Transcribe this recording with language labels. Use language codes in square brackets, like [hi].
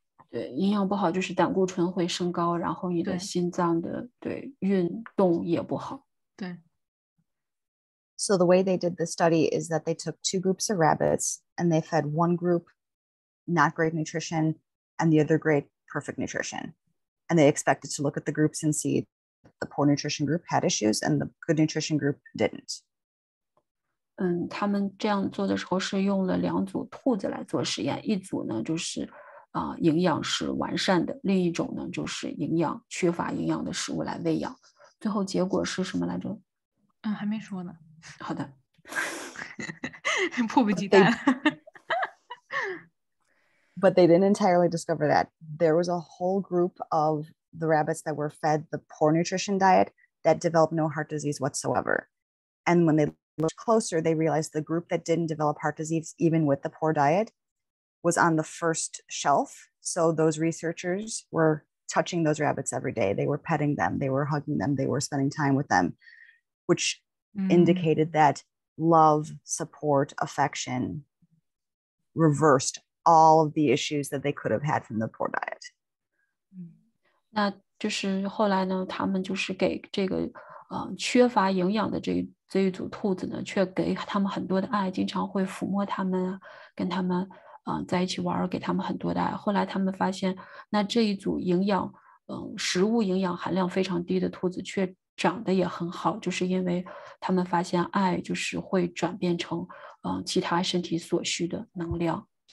[zh] 对，营养不好就是胆固醇会升高，然后你的心脏的 对运动也不好。对。 [en] So the way they did the study is that they took two groups of rabbits and they fed one group not great nutrition and the other great perfect nutrition. And they expected to look at the groups and see the poor nutrition group had issues and the good nutrition group didn't. [zh] 他们这样做的时候是用了两组兔子来做实验，一组呢就是营养是完善的，另一种呢就是营养缺乏营养的食物来喂养。最后结果是什么来着？还没说呢。好的，迫不及待。 [en] But they didn't entirely discover that. There was a whole group of the rabbits that were fed the poor nutrition diet that developed no heart disease whatsoever. And when they looked closer, they realized the group that didn't develop heart disease, even with the poor diet, was on the first shelf. So those researchers were touching those rabbits every day. They were petting them. They were hugging them. They were spending time with them, which indicated that love, support, affection reversed all of the issues that they could have had from the poor diet. [zh] 那就是后来呢，他们就是给这个缺乏营养的这一组兔子呢，却给他们很多的爱，经常会抚摸他们，跟他们在一起玩，给他们很多的爱。后来他们发现，那这一组营养食物营养含量非常低的兔子却长得也很好，就是因为他们发现爱就是会转变成其他身体所需的能量。